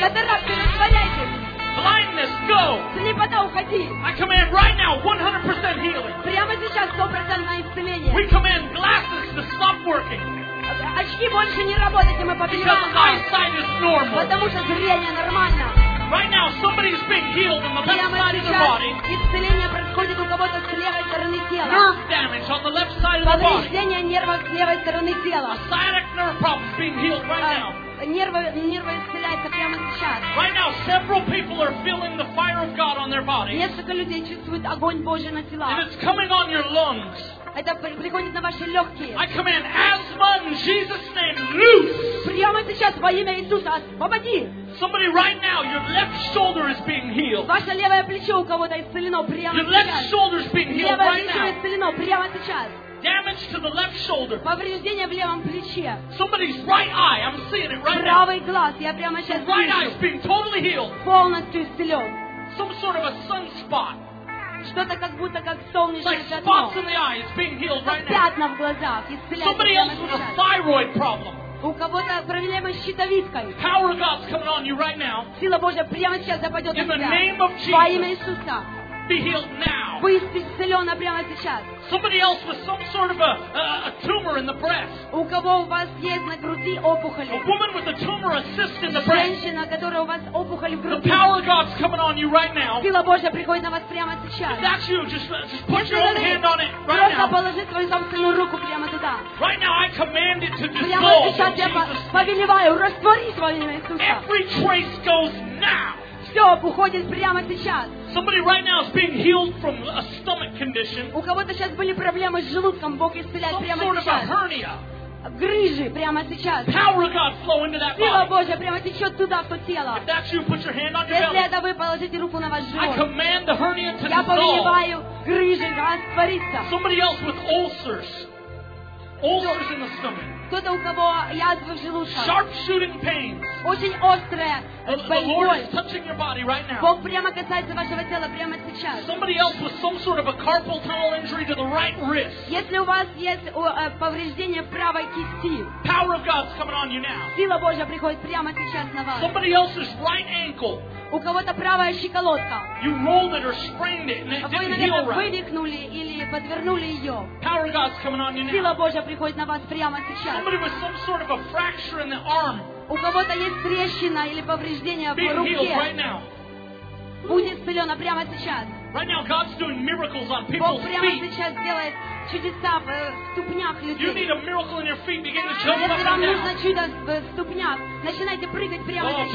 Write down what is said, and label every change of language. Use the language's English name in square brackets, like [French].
[Russian] Катаракты растворяйте. [English] Blindness go. [Russian] Слепота уходи. [English] I command right now 100% healing. [Russian] Прямо сейчас 100% исцеление. [English] We command glasses to stop working. [Russian] Очки больше не работают, и мы повелеваем. [English] Because eyesight is normal. [Russian] Потому что зрение нормально. [English] Right now somebody is being healed on the left side of their body. [Russian] Исцеление происходит у кого-то с левой стороны тела. [English] Nerve damage on the left side of the body. [Russian] Повреждение нервов с левой стороны тела. [English] A sciatic nerve problem is being healed right now. [Russian] Нервы исцеляются прямо сейчас. [English] Right now, several people are feeling the fire of God on their body. [Russian] Несколько людей чувствуют огонь Божий на телах. [English] And it's coming on your lungs. [Russian] Это приходит на ваши легкие. [English] I command asthma in Jesus' name, loose. [Russian] Прямо сейчас во имя Иисуса, освободи. [English] Somebody right now, your left shoulder is being healed. [Russian] Ваше левое плечо у кого-то исцелено прямо сейчас. [English] Your left shoulder is being healed [Russian] левое [English] right now. [Russian] Исцелено прямо сейчас. [English] Damage to the left shoulder. [Russian] Повреждение в левом плече. [English] Somebody's right eye. I'm seeing it right now. [Russian] Правый глаз. Я прямо сейчас вижу. [English] Right eye is being totally healed. [Russian] Полностью исцелен. [English] Some sort of a sunspot. [Russian] что-то как будто как солнечное [English] like spots in the eye, it's being healed right now. [Russian] Пятна в глазах, исцеляются. [English] Somebody else with a thyroid problem. [Russian] У кого-то проблемы с щитовидкой. [English] Power of God's coming on you right now. [Russian] Сила Божья прямо сейчас западет [English] in [Russian] на тебя. [English] In the name of Jesus. [Russian] Во имя Иисуса. [English] Be healed now. [Russian] Вы исцелены прямо сейчас. [English] Somebody else with some sort of a tumor in the breast. [Russian] У кого у вас есть на груди опухоль? [English] A woman with a tumor, a cyst in the breast. [Russian] Женщина, которая у вас опухоль в груди. [English] The power of God's coming on you right now. [Russian] Сила Божья приходит на вас прямо сейчас. [English] If that's you, just put your own hand on it right [Russian] просто [English] now. [Russian] Просто положи свою собственную руку прямо туда. [English] Right now, I command it to dissolve. [Russian] Прямо сейчас я повелеваю, раствори свое имя Иисуса. [English] Every trace goes now. [Russian] Все уходит прямо сейчас. [English] Somebody right now is being healed from a stomach condition. [Russian] У кого-то сейчас были проблемы с желудком, Бог исцеляет прямо сейчас. Грыжи прямо сейчас. [English] Power of God flow into that body. [Russian] Сила Божья прямо течет туда, в то тело. [English] If that's you, put your hand on your [Russian] Если [English] belly. [Russian] Если это вы, положите руку на ваш живот. [English] I command the hernia to [Russian] Я повелеваю грыжи раствориться. [English] Somebody else with ulcers. Ulcers in the stomach. [Russian] Кто-то, у кого язвы в желудке. [English] Sharp shooting pains. [Russian] Очень острая боль. [English] The Lord is touching your body right now. [Russian] Бог прямо касается вашего тела прямо сейчас. [English] Somebody else with some sort of a carpal tunnel injury to the right wrist. [Russian] Если у вас есть повреждение правой кисти. [English] Power of God's coming on you now. [Russian] Сила Божья приходит прямо сейчас на вас. [English] Somebody else's right ankle. [Russian] У кого-то правая щиколотка. [English] You rolled it or sprained it and it didn't heal right. [Russian] Вы вывихнули или подвернули ее. [English] Power of God's coming on you now. [Russian] Сила Божья приходит на вас прямо сейчас. [English] Somebody with some sort of a fracture in the arm. [Russian] У кого-то есть трещина или повреждение в руке. [English] Being healed right now. [Russian] Будет исцелена прямо сейчас. [English] Right now, God's doing miracles on people's feet. [Russian] Бог прямо сейчас делает чудеса в ступнях людей. [English] You need a miracle in your feet. Begin to jump up right now. [Russian] Если вам нужно чудо в ступнях, начинайте прыгать прямо сейчас.